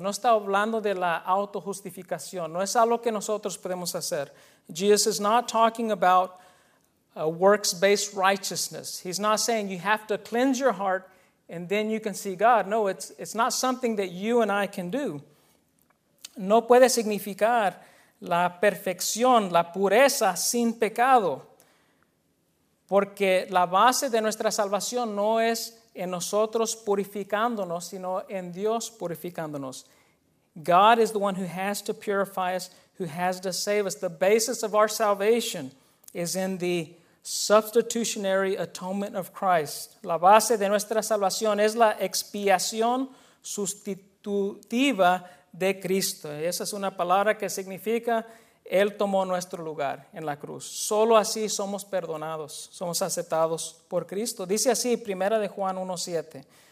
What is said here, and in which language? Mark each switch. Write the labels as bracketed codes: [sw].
[es] No está hablando de la autojustificación, no es algo que nosotros podemos hacer. [en] Jesus is not talking about a works-based righteousness. He's not saying you have to cleanse your heart and then you can see God. No, it's not something that you and I can do. [es] No puede significar la perfección, la pureza sin pecado. Porque la base de nuestra salvación no es en nosotros purificándonos, sino en Dios purificándonos. [en] God is the one who has to purify us, who has to save us. The basis of our salvation is in the substitutionary atonement of Christ. [es] La base de nuestra salvación es la expiación sustitutiva de Cristo. Esa es una palabra que significa Él tomó nuestro lugar en la cruz. Solo así somos perdonados, somos aceptados por Cristo. Dice así, 1 Juan 1:7.